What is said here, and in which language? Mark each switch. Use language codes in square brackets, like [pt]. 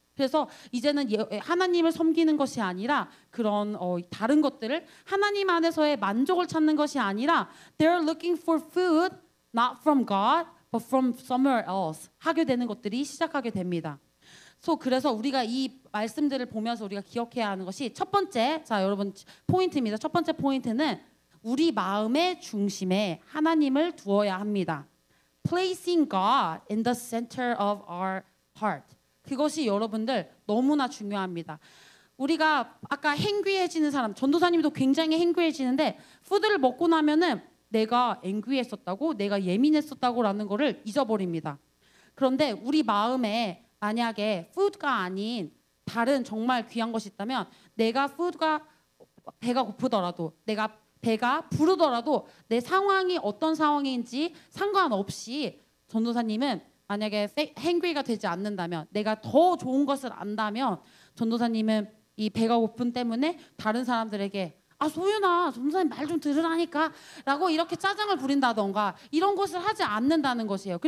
[ko] 그래서 이제는 하나님을 섬기는 것이 아니라 그런 어, 다른 것들을 하나님 안에서의 만족을 찾는 것이 아니라 [en] They're looking for food not from God but from somewhere else [ko] 하게 되는 것들이 시작하게 됩니다. 그래서 우리가 이 말씀들을 보면서 우리가 기억해야 하는 것이 첫 번째, 자 여러분 포인트입니다. 첫 번째 포인트는 우리 마음의 중심에 하나님을 두어야 합니다. [en] Placing God in the center of our heart. [ko] 그것이 여러분들 너무나 중요합니다. 우리가 아까 행귀해지는 사람, 전도사님도 굉장히 행귀해지는데 푸드를 먹고 나면은 내가 앵귀했었다고, 내가 예민했었다고 라는 거를 잊어버립니다. 그런데 우리 마음에 만약에 푸드가 아닌 다른 정말 귀한 것이 있다면 내가 푸드가 배가 고프더라도 내가 배가 부르더라도 내 상황이 어떤 상황인지 상관없이 전도사님은 만약에 행귀가 되지 않는다면 내가 더 좋은 것을 안다면 전도사님은 이 배가 고픈 때문에 다른 사람들에게 아 소윤아 전도사님 말 좀 들으라니까 라고 이렇게 짜장을 부린다던가 이런 것을 하지 않는다는 것이에요.